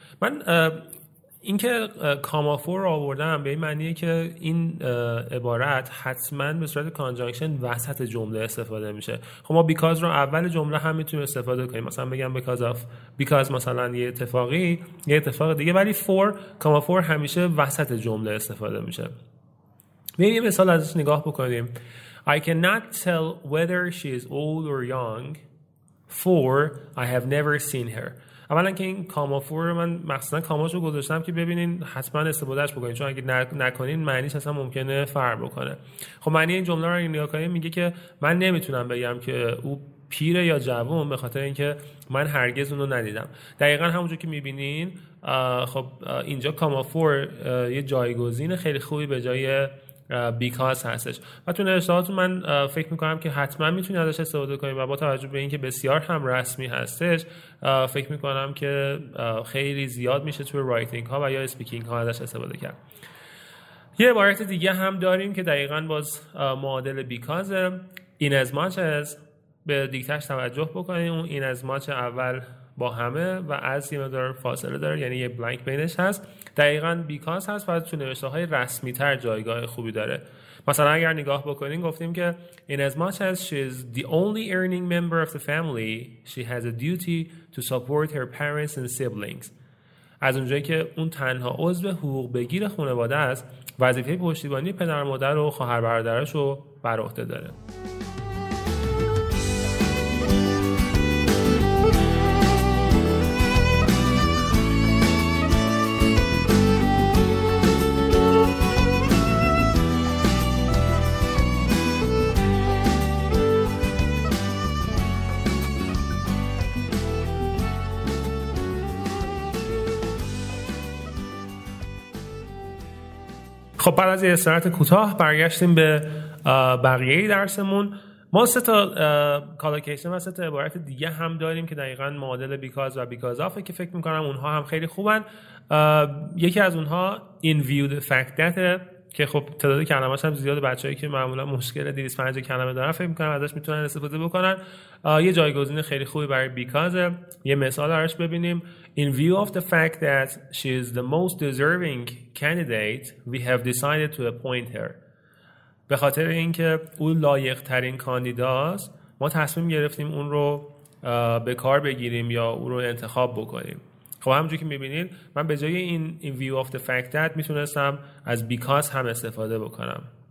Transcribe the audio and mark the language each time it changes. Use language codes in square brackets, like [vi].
[fa] من اینکه کامافور رو آوردم به این معنیه که این عبارت حتما به صورت کانجانکشن وسط جمله استفاده میشه. خب ما بیکاز رو اول جمله هم میتونیم استفاده کنیم، مثلا بگم بیکاز اف بیکاز مثلا یه اتفاق دیگه، ولی فور کامافور همیشه وسط جمله استفاده میشه. ببینیم مثال ازش نگاه بکنیم. [en] I cannot tell whether she is old or young, for I have never seen her. [fa] اولا که این کاما فور من مثلا کاماشو گذاشتم که ببینین حتما استفادهش بکنین، چون اگه نکنین معنیش اصلا ممکنه فرق بکنه. خب معنی این جمله رو اگه نگاه کنیم میگه که من نمیتونم بگم که او پیره یا جوان به خاطر اینکه من هرگز اونو ندیدم. دقیقا همونجور که میبینین خب اینجا کاما فور یه جایگزین خیلی خوبی به جای because هستش و تو نوشتهاتون من فکر میکنم که حتما میتونید ازش استفاده کنید و با توجه به اینکه بسیار هم رسمی هستش فکر میکنم که خیلی زیاد میشه تو رایتینگ ها و یا اسپیکینگ ها ازش استفاده کرد. یه عبارت دیگه هم داریم که دقیقا باز معادل because، این از much as، به دیگتش توجه بکنید، اون این از much اول با همه و از یه مدار فاصله داره، یعنی یه بلانک بینش هست، دقیقا بیکاز هست و تو نوشته های رسمی تر جایگاه خوبی داره. مثلا اگر نگاه بکنین گفتیم که [en] in as much as she is the only earning member of the family she has a duty to support her parents and siblings. [fa] از اونجایی که اون تنها عضو حقوق بگیر خانواده است وظیفه پشتیبانی پدر مادر و خواهر برادرش رو بر عهده داره. خب بعد از یه استرات کوتاه برگشتیم به بقیه درسمون. ما سه تا کالوکیشن و سه تا عبارت دیگه هم داریم که دقیقا معادل because و because of که فکر میکنم اونها هم خیلی خوبن. یکی از اونها [en] in view the fact that [fa] که خب تعداد کلمه‌هاش هم زیاده، بچه هایی که معمولا مشکل 205 کلمه دارن فکر میکنم ازش میتونن استفاده بکنن. یه جایگزین خیلی خوبی برای because، یه مثال ازش ببینیم. [en] In view of the fact that she is the most deserving candidate, we have decided to appoint her. [fa] به خاطر اینکه او لایق ترین کاندیداست، ما تصمیم گرفتیم اون رو به کار بگیریم یا او رو انتخاب بکنیم. خب همونجوری که میبینید من به جای این [en] view of the fact that [fa] میتونستم از because هم استفاده بکنم.